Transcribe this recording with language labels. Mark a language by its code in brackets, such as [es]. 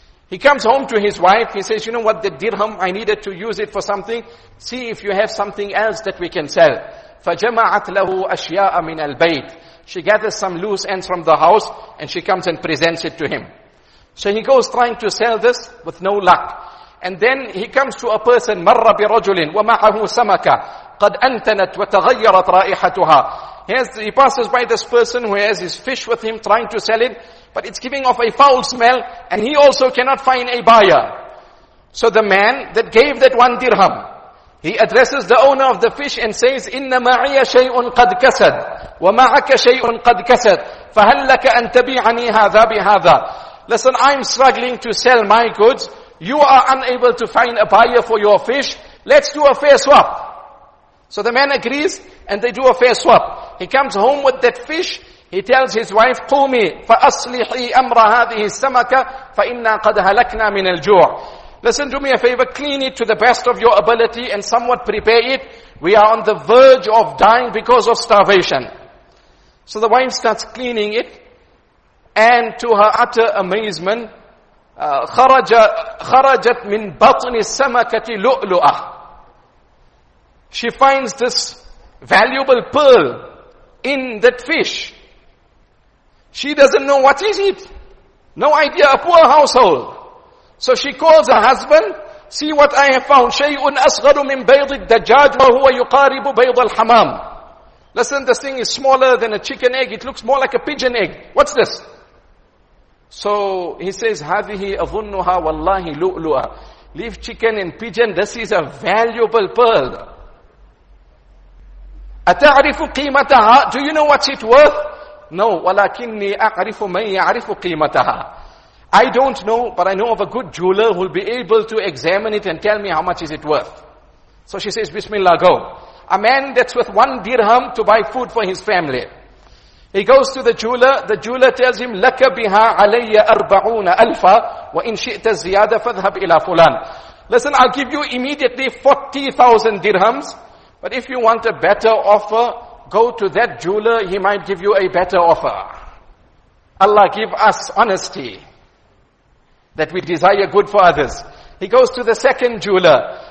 [en] He comes home to his wife. He says, you know what, the dirham, I needed to use it for something. See if you have something else that we can sell. [ar] فَجَمَعَتْ لَهُ أَشْيَاءَ مِنَ الْبَيْتِ. [en] She gathers some loose ends from the house, and she comes and presents it to him. So he goes trying to sell this with no luck. And then he comes to a person, [ar] مَرَّ بِرَجُلٍ وَمَعَهُ سَمَكَ قَدْ أَنْتَنَتْ وَتَغَيَّرَتْ رَائِحَتُهَا. [en] He passes by this person who has his fish with him trying to sell it, but it's giving off a foul smell and he also cannot find a buyer. So the man that gave that one dirham, he addresses the owner of the fish and says, [ar] إِنَّ مَعِيَ شَيْءٌ قَدْ كَسَدْ وَمَعَكَ شَيْءٌ قَدْ كَسَدْ فَهَلْ لَكَ أَن تَبِيعَنِي هَذَا بِهَذَا. [en] Listen, I'm struggling to sell my goods. You are unable to find a buyer for your fish. Let's do a fair swap. So the man agrees and they do a fair swap. He comes home with that fish. He tells his wife, [ar] قومي فأصلحي أمر هذه السمكة فإنا قد هلكنا من الجوع. [en] Listen, do me a favor, clean it to the best of your ability and somewhat prepare it. We are on the verge of dying because of starvation. So the wife starts cleaning it, and to her utter amazement, [ar] خرجت من بطن السمكة لؤلؤة. [en] She finds this valuable pearl in that fish. She doesn't know what is it. No idea, a poor household. So she calls her husband, see what I have found. [ar] شَيْءٌ أَصْغَرُ مِنْ بَيْضِ الدَّجَاجِ وَهُوَ يُقَارِبُ بَيْضَ الْحَمَامِ. [en] Listen, this thing is smaller than a chicken egg. It looks more like a pigeon egg. What's this? So he says, [ar] هَذِهِ أَظُنُّهَا وَاللَّهِ لُؤْلُؤَ. [en] Leave chicken and pigeon. This is a valuable pearl. [ar] أَتَعْرِفُ قِيمَتَهَا. [en] Do you know what it's worth? No, [ar] وَلَكِنِّي أَعْرِفُ مَنْ يَعْرِفُ قِيمَتَهَا. [en] I don't know, but I know of a good jeweler who will be able to examine it and tell me how much is it worth. So she says, Bismillah, go. A man that's with one dirham to buy food for his family. He goes to the jeweler. The jeweler tells him, [ar] لَكَ بِهَا عَلَيَّ أَرْبَعُونَ أَلْفَ وَإِنْ شِئْتَ الزِّيَادَ فَذْهَبْ إِلَى فُلَانَ. [en] Listen, I'll give you immediately 40,000 dirhams. But if you want a better offer, go to that jeweler. He might give you a better offer. Allah, give us honesty that we desire good for others. He goes to the second jeweler.